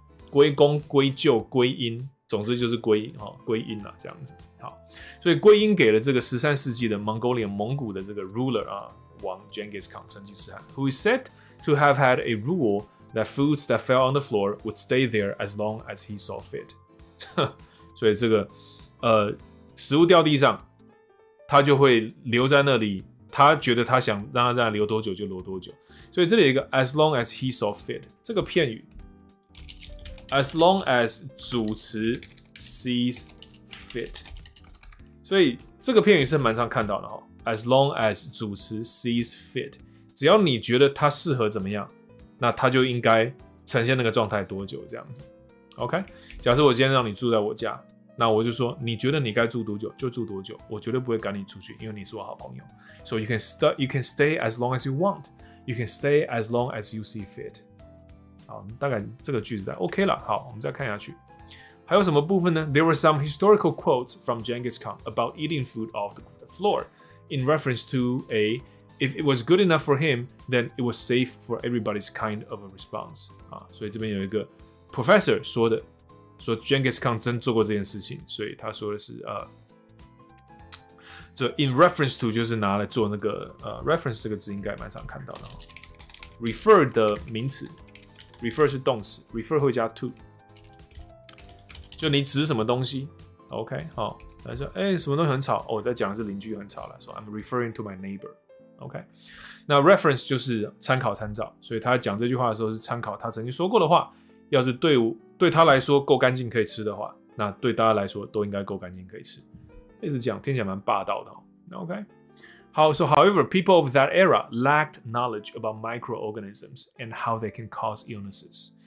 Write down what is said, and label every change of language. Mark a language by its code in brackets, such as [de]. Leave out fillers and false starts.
[zh] 归功、归咎、归因，总之就是归因哈、哦，归因啦、啊、这样子。好，所以归因给了这个13世纪的 [en] Mongolian [zh] 蒙古的这个 [en] ruler [zh] 啊，王 [en] Genghis Khan 成吉思汗 ，who is said to have had a rule that foods that fell on the floor would stay there as long as he saw fit。 [zh] 所以这个食物掉地上，他就会留在那里，他觉得他想让他在那留多久就留多久。所以这里有一个 [en] as long as he saw fit [zh] 这个片语 ，as long as 主词 sees fit。所以这个片语是蛮常看到的哈 ，as long as 主词 sees fit， 只要你觉得它适合怎么样，那它就应该呈现那个状态多久这样子。 OK， 假设我今天让你住在我家，那我就说你觉得你该住多久就住多久，我绝对不会赶你出去，因为你是我好朋友。 [en] So you can stay as long as you want， you can stay as long as you see fit。 [zh] 好，大概这个句子 OK 了。好，我们再看下去。还有什么部分呢？ [en] There were some historical quotes from Genghis Khan about eating food off the floor in reference to a if it was good enough for him, then it was safe for everybody's kind of a response.、啊、 [zh] 所以这边有一个 [en] professor 说的，说 Genghis Khan [zh] 真做过这件事情，所以他说的是就 [en] in reference to [zh] 就是拿来做那个 [en] reference [zh] 这个字应该蛮常看到的、哦、 [en] refer 的名词 refer 是动词 refer 会加 to。 [zh] 就你指什么东西 ，OK， 好，他说，哎、欸，什么东西很吵，我、哦、在讲的是邻居很吵了，说 [en] I'm referring to my neighbor， [zh] OK，、okay? 那 reference 就是参考、参照，所以他讲这句话的时候是参考他曾经说过的话。要是对他来说够干净可以吃的话，那对大家来说都应该够干净可以吃。一直讲听起来蛮霸道的、 [en] 哦、，OK， 好 ，So however, people of that era lacked knowledge about microorganisms and how they can cause illnesses.